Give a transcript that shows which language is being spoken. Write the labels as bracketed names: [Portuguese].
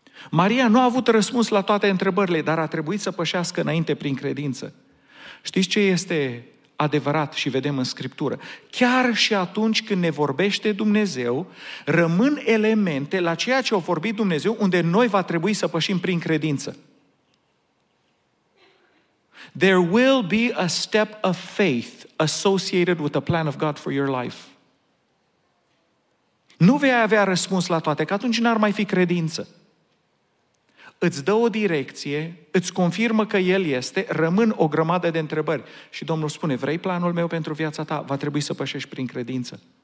[Romanian] Maria nu a avut răspuns la toate întrebările, dar a trebuit să pășească înainte prin credință. Știți ce este adevărat și vedem în Scriptură? Chiar și atunci când ne vorbește Dumnezeu, rămân elemente la ceea ce a vorbit Dumnezeu, unde noi va trebui să pășim prin credință. [English] There will be a step of faith associated with the plan of God for your life. [Romanian] Nu vei avea răspuns la toate, că atunci n-ar mai fi credință. Îți dă o direcție, îți confirmă că El este, rămân o grămadă de întrebări. Și Domnul spune, vrei planul meu pentru viața ta? Va trebui să pășești prin credință.